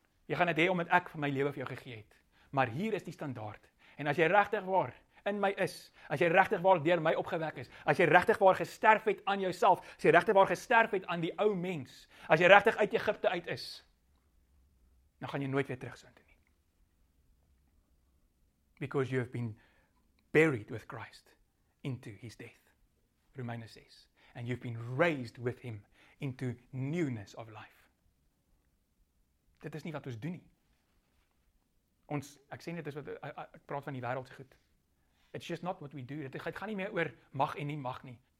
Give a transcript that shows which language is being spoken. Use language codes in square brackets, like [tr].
[af] Jy gaan dit hê omdat ek my lewe vir jou gegee het. Maar hier is die standaard. En as jy regtig waar in my is, as jy regtig waar deur my opgewek is, as jy regtig waar gesterf het aan jouself, as jy regtig waar gesterf het aan die ou mens, as jy regtig uit Egipte uit is, dan gaan jy nooit weer terugsonde nie. [en] Because you have been buried with Christ into his death. Romeine 6. And you've been raised with him into newness of life. [af] Dit is nie wat ons doen nie. Ek sê net, ek praat van die wêreld se goed. [en] It's just not what we do. [af] Dit gaan nie meer oor mag en nie mag nie.